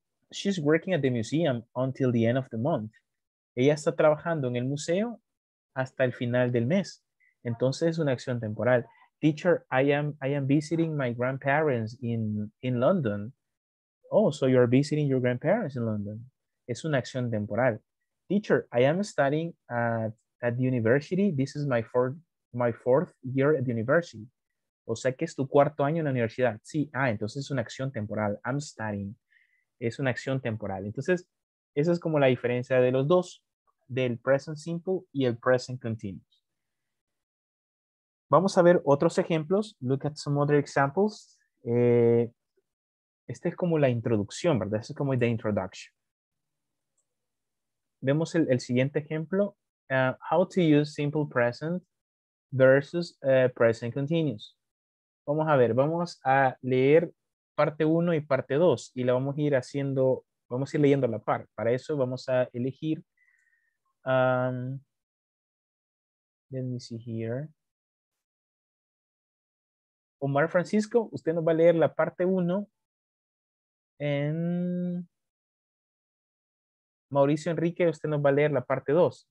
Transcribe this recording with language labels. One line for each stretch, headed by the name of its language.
English: She's working at the museum until the end of the month.
Spanish: Ella está trabajando en el museo hasta el final del mes. Entonces es una acción temporal.
English: Teacher, I am visiting my grandparents in London. Oh, so you're visiting your grandparents in London.
Spanish: Es una acción temporal.
English: Teacher, I am studying at the university. This is my fourth year at the university.
Spanish: O sea que es tu cuarto año en la universidad. Sí, entonces es una acción temporal.
English: I'm studying.
Spanish: Es una acción temporal. Entonces, esa es como la diferencia de los dos, del present simple y el present continuous. Vamos a ver otros ejemplos.
English: Look at some other examples.
Spanish: Esta es como la introducción, ¿verdad? Esta es como
English: the introduction.
Spanish: Vemos el siguiente ejemplo.
English: How to use simple present versus present continuous.
Spanish: Vamos a ver, vamos a leer parte 1 y parte 2 y la vamos a ir haciendo, vamos a ir leyendo a la par. Para eso vamos a elegir.
English: Let me see here.
Spanish: Omar Francisco, usted nos va a leer la parte 1. En Mauricio Enrique, usted nos va a leer la parte 2.